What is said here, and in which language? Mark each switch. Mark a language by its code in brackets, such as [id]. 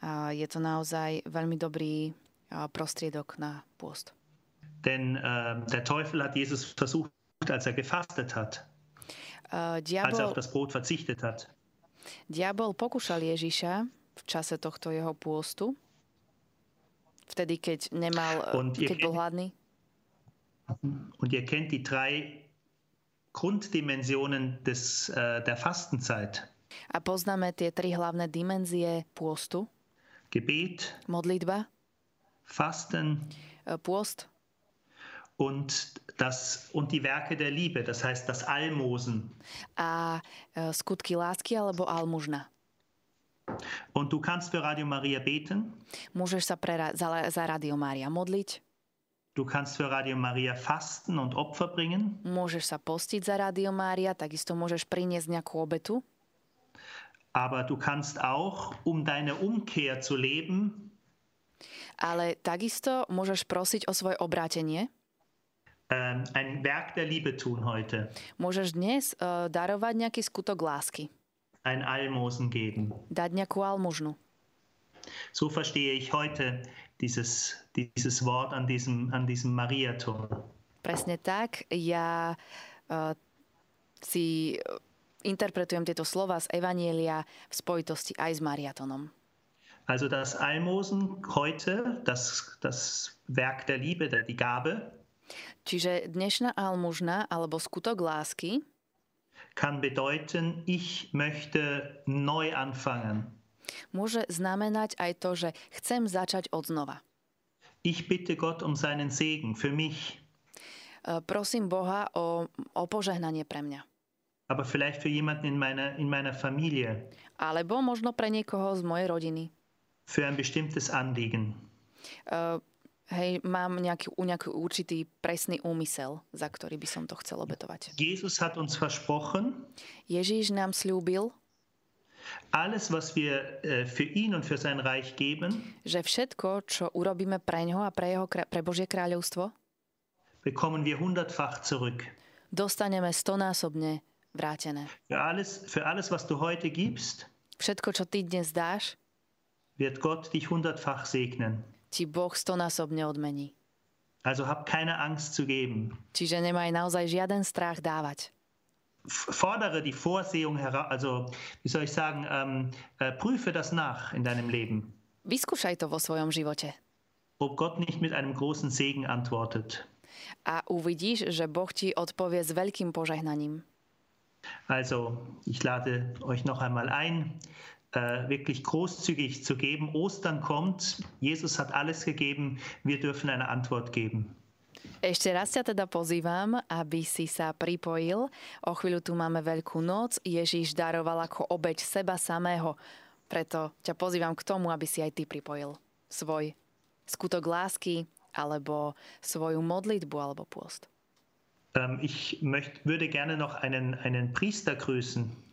[sk] Je to naozaj veľmi dobrý prostriedok na pôst. [de] Denn der Teufel hat Jesus versucht, als er gefastet hat. [sk] Diabol, [de] als er auf das Brot verzichtet hat. [sk] Diabol pokúšal Ježiša v čase tohto jeho pôstu, vtedy, keď nemal, keď bol hladný. [de] Und ihr kennt die drei Grunddimensionen der Fastenzeit. [sk] A poznáme tie tri hlavné dimenzie pôstu. [de] Gebet. [sk] Modlitba. [de] Fasten. [sk] Pôst. [de] Und die Werke der Liebe, das heißt das Almosen. [sk] A skutky lásky alebo almužna. [de] Und du kannst für Radio Maria beten. [sk] Môžeš sa za Radio Maria modliť. [de] Du kannst für Radio Maria fasten und Opfer bringen. [sk] Môžeš sa postiť za Radio Maria, takisto môžeš priniesť nejakú obetu. [de] Aber du kannst auch, um deine Umkehr zu leben. [sk] Ale takisto môžeš prosiť o svoje obrátenie. [de] Ein Werk der Liebe tun heute. [sk] Môžeš dnes darovať nejaký skutok lásky. [de] Ein Almosen geben. [sk] Dať nejakú almužnu. [de] So verstehe ich heute dieses Wort an diesem Mariaturm. [sk] Presne tak, ja si interpretujem tieto slova z Evanjelia v spojitosti aj s Mariatonom. [de] Also das Almosen heute, das Werk der Liebe, die Gabe. [sk] Čiže dnešná almužna alebo skutok lásky [de] kann bedeuten, ich möchte neu anfangen. [sk] Môže znamenať aj to, že chcem začať odznova. [de] Ich bitte Gott um seinen Segen für mich. [sk] Prosím Boha o požehnanie pre mňa. [de] Aber vielleicht für jemanden in meiner Familie. [sk] Alebo možno pre niekoho z mojej rodiny. [de] Für ein bestimmtes Anliegen. [sk] Hej, mám nejaký určitý presný úmysel, za ktorý by som to chcel obetovať. [de] Jesus hat uns versprochen. [sk] Ježíš nám sľúbil. [de] Alles was wir für ihn und für sein Reich geben, [sk] že všetko, čo urobíme pre ňoho a pre Božie kráľovstvo, [de] bekommen wir hundertfach zurück. [sk] Dostaneme stonásobne vrátené. [de] Für alles was du heute gibst, [sk] všetko, čo ty dnes dáš, [de] wird Gott dich hundertfach segnen. [sk] Ti Boh stonásobne odmení. [de] Also hab keine Angst zu geben. [sk] Čiže nemaj naozaj žiaden strach dávať. [de] Fordere die Vorsehung heraus, also wie soll ich sagen, prüfe das nach in deinem Leben. [sk] Vyskúšaj to vo svojom živote. [de] Ob Gott nicht mit einem großen Segen antwortet. [sk] A uvidíš, že Boh ti odpovie s veľkým požehnaním. [de] Also, ich lade euch noch einmal ein, wirklich großzügig zu geben. Ostern kommt, Jesus hat alles gegeben, wir dürfen eine Antwort geben. [sk] Ešte raz ťa teda pozývam, aby si sa pripojil. O chvíľu tu máme Veľkú noc. Ježiš daroval ako obeť seba samého. Preto ťa pozývam k tomu, aby si aj ty pripojil svoj skutok lásky alebo svoju modlitbu alebo pôst. [de] Ich würde gerne noch einen Priester grüßen.